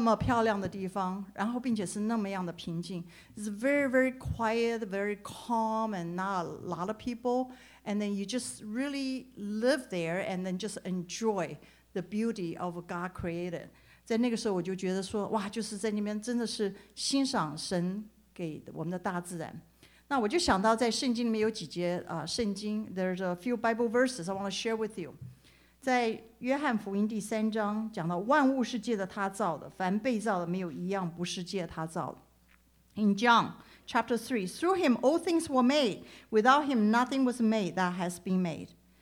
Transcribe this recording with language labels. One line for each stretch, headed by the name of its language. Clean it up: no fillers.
Chinese: 我在那边的时候，我觉得我真的是惊为惊讶叹止，是不是？就觉得说哇，怎么有这么叹而观止？怎么会有这么漂亮的地方？然后并且是那么样的平静。
English: It's very very quiet, very calm, and not a lot of people. And then you just really live there and then just enjoy the beauty of God created.
Chinese: 在那个时候我就觉得说,哇,就是在那边真的是欣赏神给我们的大自然。那我就想到在圣经里面有几节圣经,
English: there's a few Bible verses I want to share with you.
Chinese: 在约翰福音第三章讲到万物是借着他造的,凡被造的没有一样不是借着他造的。
English: In John chapter 3, through him all things were made. Without him nothing was made that has been made.